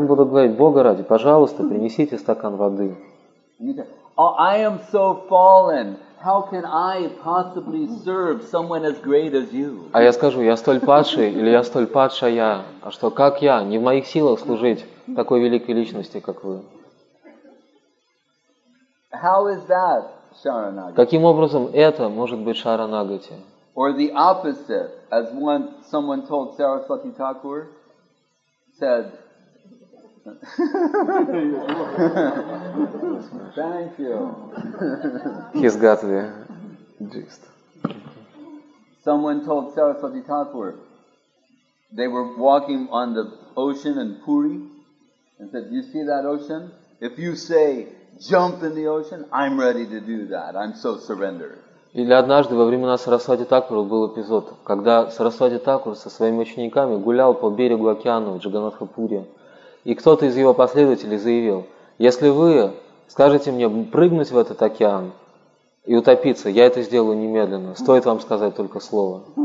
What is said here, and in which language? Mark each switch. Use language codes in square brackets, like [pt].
[ru] буду говорить, Бога ради, пожалуйста, принесите стакан воды. [en] I am so fallen. How can I possibly serve someone as great as you? [ru] А я скажу, я столь падший или я столь падшая, а что как я, не в моих силах служить такой великой личности, как вы. [en] How is that, Sharanagati? [ru] Каким образом это может быть Шаранагати? [en] Or the opposite, as one someone told Saraswati Thakur, said. Thank you. He's got the gist. Someone told Saraswati Thakur, they were walking on the ocean in Puri, and said, "You see that ocean? If you say jump in the ocean, I'm ready to do that. I'm so surrendered." [ru] Или однажды во времена Сарасвати Такура был эпизод, когда Сарасвати Такур со своими учениками гулял по берегу океана в Джаганатхапуре, и кто-то из его последователей заявил, если вы скажете мне прыгнуть в этот океан и утопиться, я это сделаю немедленно, стоит вам сказать только слово.